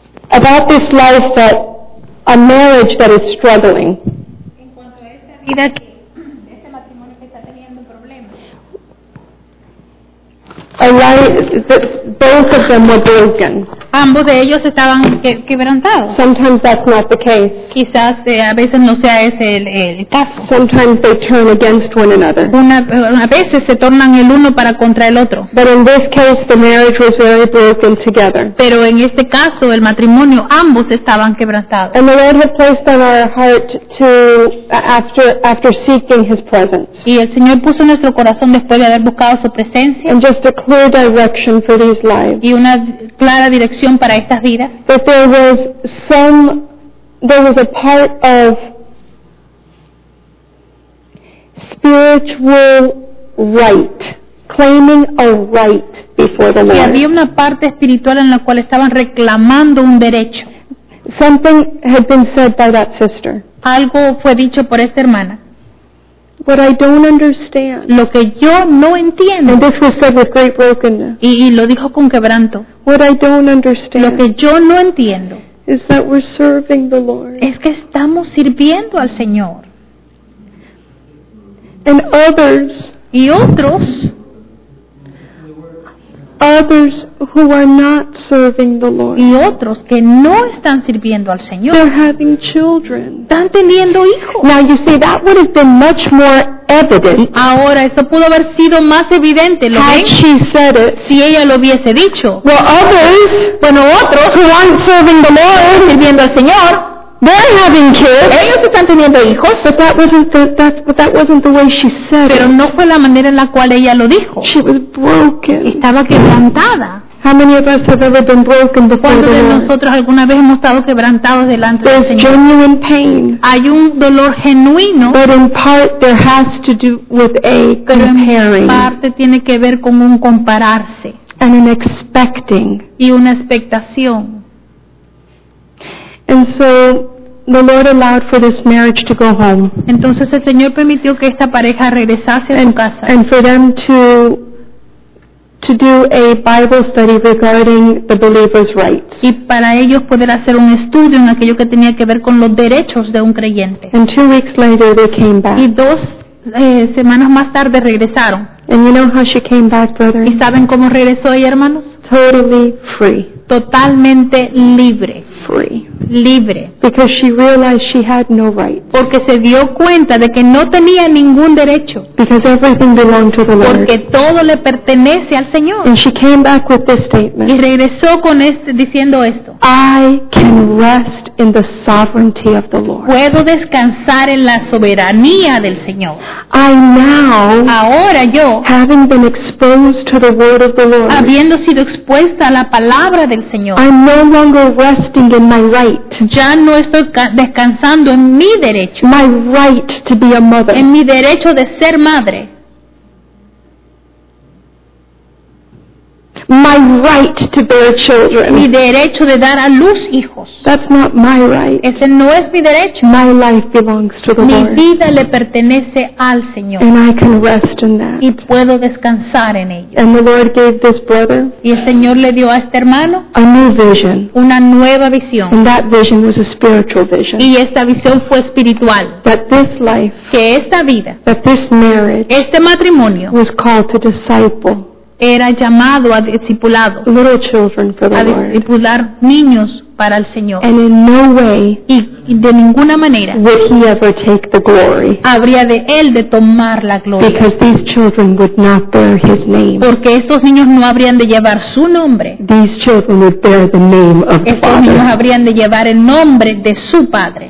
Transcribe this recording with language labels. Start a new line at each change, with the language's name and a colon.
English: About this life that a marriage that is struggling.
Spanish: En cuanto a esta vida que este matrimonio que está teniendo problemas.
English: A life, both of them were broken.
Spanish: Ambos de ellos estaban quebrantados.
English: Sometimes that's not the case.
Spanish: Quizás a veces no sea ese el caso.
English: Sometimes they turn against one another.
Spanish: A veces se tornan el uno para contra el otro.
English: But in this case, the marriage was very broken together.
Spanish: Pero en este caso, el matrimonio, ambos estaban quebrantados.
English: And the Lord has placed on our heart to after seeking His presence.
Spanish: Y el Señor puso en nuestro corazón después de haber buscado su presencia.
English: And just a clear direction for these lives.
Spanish: Y una clara dirección para estas vidas.
English: But there was a part of spiritual right, claiming a right before the Lord.
Spanish: Y había una parte espiritual en la cual estaban reclamando un derecho.
English: Something had been said by that sister.
Spanish: Algo fue dicho por esta hermana.
English: What I don't understand.
Spanish: Lo que yo no entiendo.
English: And this was said with great brokenness.
Spanish: Y lo dijo con quebranto.
English: What I don't understand.
Spanish: Lo que yo no entiendo.
English: Is that we're serving the Lord.
Spanish: Es que estamos sirviendo al Señor.
English: And others.
Spanish: Y otros.
English: Others who are not serving the Lord.
Spanish: Y otros que no están sirviendo al Señor.
English: They're having children.
Spanish: Están teniendo hijos.
English: Now you see, that would have been much more evident.
Spanish: Ahora eso pudo haber sido más evidente. ¿Lo
English: had
Spanish: ven?
English: She said it.
Spanish: Si ella lo hubiese dicho.
English: Well, others.
Spanish: Bueno, otros
English: who aren't serving the Lord.
Spanish: Están sirviendo al Señor.
English: They're having kids.
Spanish: Ellos están teniendo hijos.
English: But that wasn't the way she said it.
Spanish: Pero no fue la manera en la cual ella lo dijo.
English: She was broken.
Spanish: Estaba quebrantada.
English: How many of us have ever been broken before?
Spanish: ¿Cuántos de nosotros alguna vez hemos estado quebrantados delante del Señor?
English: There's genuine pain.
Spanish: Hay un dolor genuino.
English: But in part, there has to do with a comparing.
Spanish: En parte tiene que ver con un compararse.
English: And an expecting.
Spanish: Y una expectación.
English: And so the Lord allowed for this marriage to go home.
Spanish: Entonces el Señor permitió que esta pareja regresase a su casa.
English: And for them to do a Bible study regarding the believer's rights.
Spanish: Y para ellos poder hacer un estudio en aquello que tenía que ver con los derechos de un creyente.
English: And 2 weeks later they came back.
Spanish: Y dos semanas más tarde regresaron.
English: And you know how she came back, brother?
Spanish: ¿Y saben cómo regresó ella, hermanos?
English: Totally free.
Spanish: Totalmente libre.
English: Free.
Spanish: Libre.
English: Because she realized she had no rights.
Spanish: Porque se dio cuenta de que no tenía ningún derecho.
English: Because everything belonged to the Lord.
Spanish: Porque todo le pertenece al Señor.
English: And she came back with this statement.
Spanish: Y regresó con este, diciendo esto.
English: I can rest in the sovereignty of the Lord.
Spanish: Puedo descansar en la soberanía del Señor.
English: I now,
Spanish: ahora yo,
English: having been exposed to the word of the Lord,
Spanish: habiendo sido expuesta a la palabra del Señor,
English: I'm no longer resting in my right.
Spanish: Ya no estoy descansando en mi derecho.
English: My right to be a mother.
Spanish: En mi derecho de ser madre.
English: My right to bear children.
Spanish: Mi derecho de dar a luz hijos.
English: That's not my right.
Spanish: Ese no es mi derecho.
English: My life belongs to the Lord.
Spanish: Mi vida le pertenece al Señor.
English: And I can rest in that.
Spanish: Y puedo descansar en ello.
English: And the Lord gave this brother.
Spanish: Y el Señor le dio a este hermano.
English: A new vision.
Spanish: Una nueva visión.
English: And that vision was a spiritual vision.
Spanish: Y esta visión fue espiritual.
English: That this life.
Spanish: Que esta vida.
English: That this marriage.
Spanish: Este matrimonio.
English: Was called to disciple.
Spanish: Era llamado a discipulado,
English: little children for the
Spanish: a discipular niños para el Señor.
English: And in no way
Spanish: y de ninguna manera
English: would he ever take the glory.
Spanish: Habría de él de tomar la gloria.
English: Because these children would not bear his name.
Spanish: Porque estos niños no habrían de llevar su nombre.
English: These children would bear the name of the Father.
Spanish: Estos niños habrían de llevar el nombre de su Padre.